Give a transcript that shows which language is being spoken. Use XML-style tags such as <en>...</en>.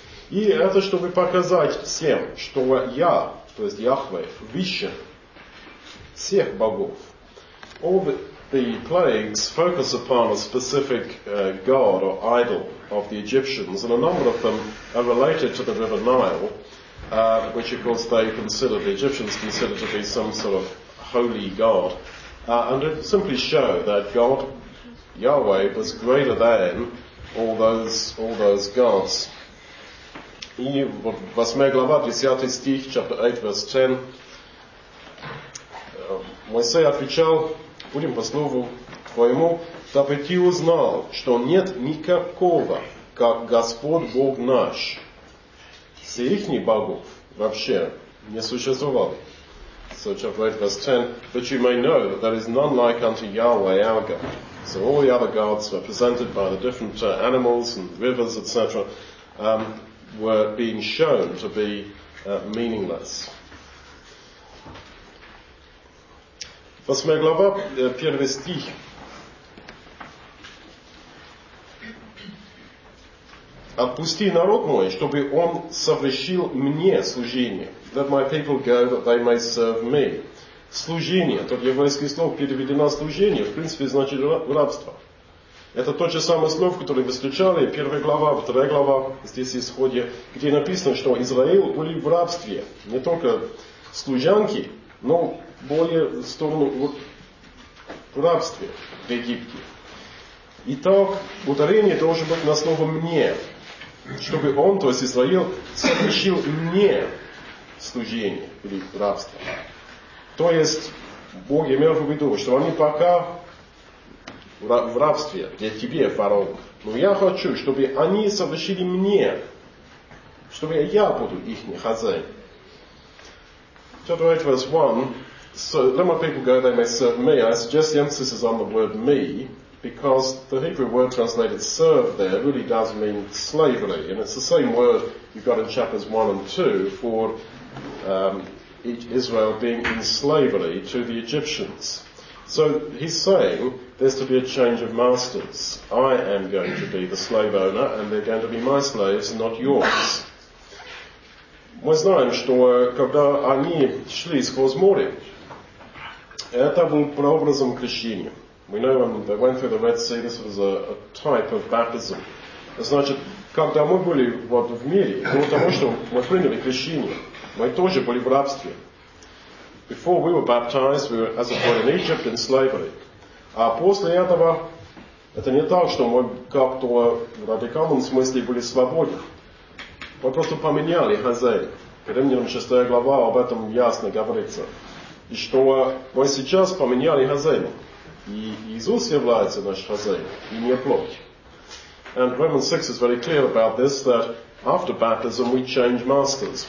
<ru>И это чтобы показать всем, что я, то есть Яхве, выше всех богов.</ru> <en>All the plagues focus upon a specific god or idol of the Egyptians, and a number of them are related to the river Nile, which of course they consider, the Egyptians consider to be some sort of holy god, and it simply show that God, Yahweh, was greater than all those gods.</en> <ru>И 8 глава, 10 стих,</ru> <en>chapter 8, verse 10.</en> <ru>Моисей отвечал, будем по слову твоему, дабы ты узнал, что нет никакого, как Господь Бог наш. Все ихних богов вообще не существовало.</ru> <en>So chapter 8, verse 10, but you may know that there is none like unto Yahweh our God. So all the other gods were presented by the different animals and rivers, etc., were being shown to be meaningless.</en> <ru>8 глава, 1 стих. Отпусти народ мой, чтобы он совершил мне служение.</ru> <en>Let my people go, that they may serve me.</en> <ru>Служение. Тут еврейское слово переведено служение. В принципе, значит рабство. Это то же самое слово, которое мы встречали, 1 глава, 2 глава, здесь в исходе, где написано, что Израиль были в рабстве. Не только служанки, но более в сторону в рабстве в Египте. Итак, ударение должно быть на слово «мне», чтобы он, то есть Израиль, совершил мне служение или рабство. То есть, Бог имел в виду, что они пока в рабстве, для тебя, фараон. Но я хочу, чтобы они совершили мне, чтобы я буду их хозяин.</ru> <en>Chapter 8, verse 1. So let my people go, they may serve me. I suggest the emphasis is on the word me, because the Hebrew word translated serve there really does mean slavery. And it's the same word you've got in chapters 1 and 2 for Israel being in slavery to the Egyptians. So he's saying there's to be a change of masters. I am going to be the slave owner, and they're going to be my slaves, not yours.</en> <ru>Мы знаем, что когда они шли сквозь море, это был прообразом крещения.</ru> <en>We know when they went through the Red Sea, this was a type of baptism.</en> <ru>Значит, когда мы были вот в мире, было того, что мы приняли крещение, мы тоже были в рабстве.</ru> <en>Before we were baptized, we were, as it were, in Egypt, in slavery.</en> <ru>А после этого, это не так, что мы как-то в радикальном смысле были свободны. Мы просто поменяли хозяина. К Римлянам 6 глава об этом ясно говорится. И что мы сейчас поменяли хозяина. И Иисус является наш хозяин, и не плоть.</ru> <en>And Romans 6 is very clear about this, that after baptism we change masters.</en>